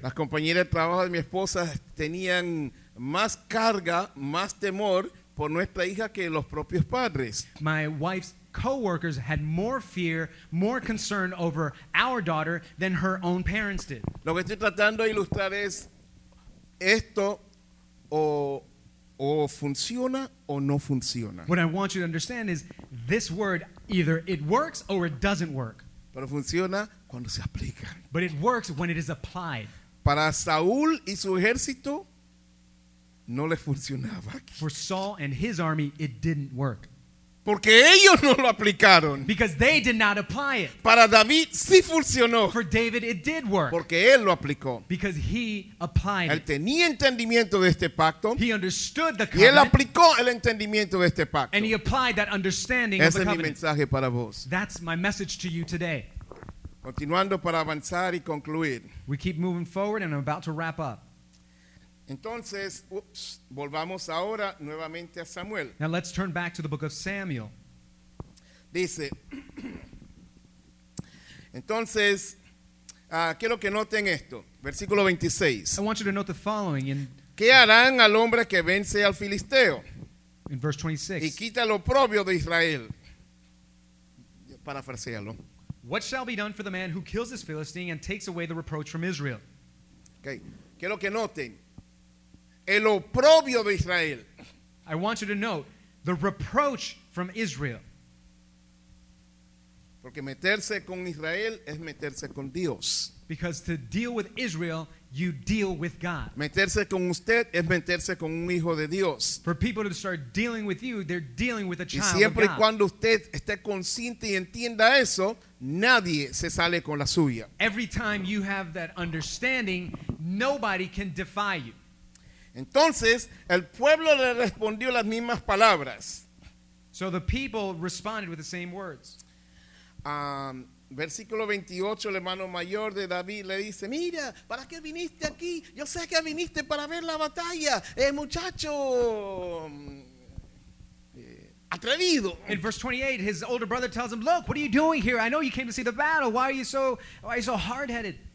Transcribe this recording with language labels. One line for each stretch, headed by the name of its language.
Spanish: Las compañeras de trabajo de mi esposa tenían más carga, más temor por nuestra hija que los propios padres.
English: My wife's co-workers had more fear, more concern over our daughter than her own parents did.
Spanish: Lo que estoy tratando de ilustrar es esto o funciona o no funciona.
English: What I want you to understand is this word, either it works or it doesn't work.
Spanish: Pero funciona cuando se aplica.
English: But it works when it is applied.
Spanish: Para Saúl y su ejército, no le funcionaba.
English: For Saul and his army, it didn't work.
Spanish: Porque ellos no lo aplicaron.
English: Because they did not apply it.
Spanish: Para David sí funcionó.
English: For David it did work.
Spanish: Porque él lo aplicó.
English: Because he applied
Spanish: él
English: it.
Spanish: Él tenía entendimiento de este pacto.
English: He understood the covenant.
Spanish: Y él aplicó el entendimiento de este pacto.
English: And he applied that understanding
Spanish: ese
English: of the covenant.
Spanish: Ese es mi mensaje para vos.
English: That's my message to you today.
Spanish: Continuando para avanzar y concluir.
English: We keep moving forward and I'm about to wrap up.
Spanish: Entonces, volvamos ahora nuevamente a Samuel.
English: Now let's turn back to the book of Samuel.
Spanish: Dice, entonces, quiero que noten esto, versículo 26.
English: I want you to note the following.
Spanish: ¿Qué harán al hombre que vence al filisteo?
English: In verse 26.
Spanish: Y quita lo propio de Israel. Parafrasealo.
English: What shall be done for the man who kills this Philistine and takes away the reproach from Israel?
Spanish: Okay, quiero que noten. El oprobio de Israel.
English: I want you to note the reproach from Israel.
Spanish: Porque meterse con Israel es meterse con Dios.
English: Because to deal with Israel, you deal with God.
Spanish: Meterse con usted es meterse con un hijo de Dios.
English: For people to start dealing with you, they're dealing with a child of God.
Spanish: Y siempre y cuando usted esté consciente y entienda eso, nadie se sale con la suya.
English: Every time you have that understanding, nobody can defy you.
Spanish: Entonces, el pueblo le respondió las mismas palabras.
English: So the people responded with the same words.
Spanish: Versículo 28, el hermano mayor de David le dice, mira, ¿para qué viniste aquí? Yo sé que viniste para ver la batalla, muchacho. Atrevido.
English: In verse 28, his older brother tells him, look, what are you doing here? I know you came to see the battle. Why are you so hard-headed?